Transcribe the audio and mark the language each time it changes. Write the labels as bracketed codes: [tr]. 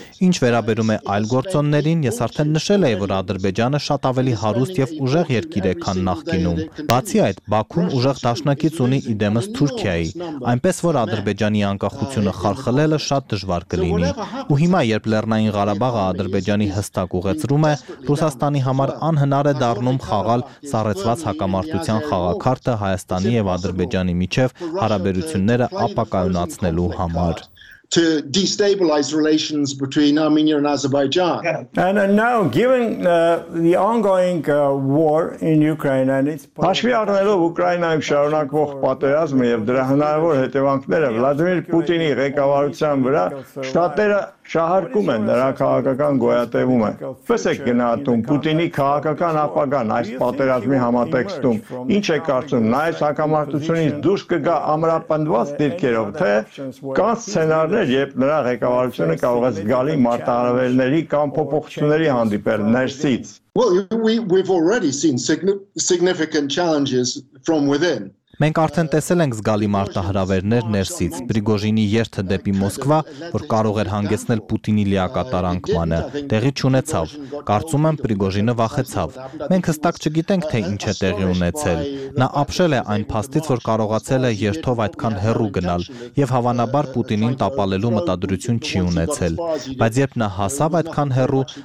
[hy] Ինչ վերաբերում է այլ գործոններին, ես արդեն նշել էի, որ Ադրբեջանը շատ ավելի հարուստ եւ ուժեղ երկիր է, քան նախկինում։ Բացի այդ, Բաքուն ուժեղ դաշնակից ունի իդեմս Թուրքիայի, այնպես որ Ադրբեջանի անկախությունը խարխլելը շատ դժվար կլինի։ Ու հիմա, երբ Լեռնային Ղարաբաղը Ադրբեջանի հստակ ուղեցրում է, Ռուսաստանի համար անհնար է դառնում խաղալ սառեցված հակամարտության խաղակարտը Հայաստանի եւ Ադրբեջանի միջև հարաբերությունները ապակայունացնելու համար. [en] To destabilize relations between Armenia and Azerbaijan. And now, given the ongoing war in Ukraine and its part. [hy] Հաշվի առնելով Ուկրաինայում շարունակվող պատերազմը եւ դրա հնարավոր հետևանքները Վլադիմիր Պուտինի ղեկավարության վրա, շտատերը շահարկում են նրա քաղաքական գոյատևումը։ Ինչպես է գնահատում Պուտինի քաղաքական ապագան այս պատերազմի համատեքստում։ Ինչ է կարծում, նա այս հակամարտությունից դուրս կգա ամրապնդված դիրքերով, թե կա սցենարներ, երբ նրա ղեկավարությունը կարող է զգալի մարտահրավերների կամ փոփոխությունների հանդիպել ներսից։ [en] Well, we've already seen significant challenges from within. [hy] Մենք արդեն տեսել ենք զգալի մարտահրավերներ ներսից։ Պրիգոժինի երթը դեպի Մոսկվա, որ կարող էր հանգեցնել Պուտինի լիակատար անկմանը, տեղի չունեցավ։ Կարծում եմ, Պրիգոժինը վախեցավ։ Մենք հստակ չգիտենք, թե ինչ է տեղի ունեցել։ Նա ապշել է այն փաստից, որ կարողացել է երթով այդքան հեռու գնալ, եւ հավանաբար Պուտինին տապալելու մտադրություն չի ունեցել։ Բայց երբ նա հասավ այդքան հեռու,